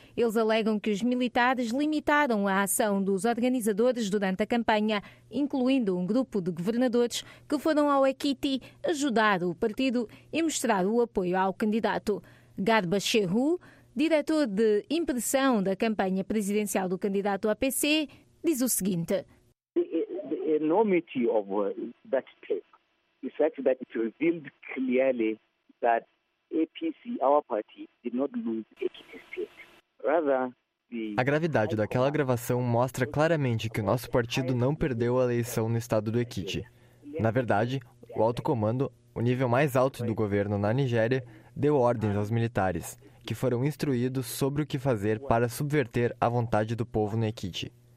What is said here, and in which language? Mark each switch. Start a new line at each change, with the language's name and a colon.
Portuguese: Eles alegam que os militares limitaram a ação dos organizadores durante a campanha, incluindo um grupo de governadores que foram ao Ekiti ajudar o partido e mostrar o apoio ao candidato. Garba Shehu, diretor de impressão da campanha presidencial do candidato APC, diz o seguinte:
English: "The enormity of that place. The fact that it revealed clearly that APC, our party, did not lose Ekiti state. Rather,
Portuguese: a gravidade daquela gravação mostra claramente que o nosso partido não perdeu a eleição no estado do Ekiti. Na verdade, o alto comando, o nível mais alto do governo na Nigéria, deu ordens aos militares, que foram instruídos sobre o que fazer para subverter a vontade do povo no Ekiti.